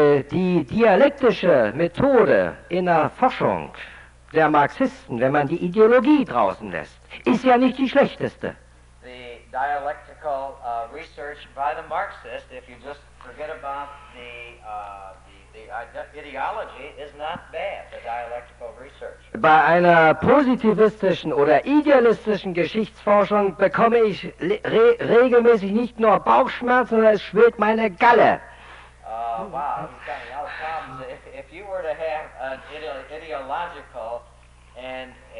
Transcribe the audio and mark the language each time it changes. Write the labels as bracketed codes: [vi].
[de] Die dialektische Methode in der Forschung der Marxisten, wenn man die Ideologie draußen lässt, ist ja nicht die schlechteste. [en] The dialectical research by the Marxist, if you just forget about the ideology, is not bad, the dialectical research. [de] Bei einer positivistischen oder idealistischen Geschichtsforschung bekomme ich regelmäßig nicht nur Bauchschmerzen, sondern es schwillt meine Galle. [en] Wow, you've got a lot of problems. If you were to have an ideological and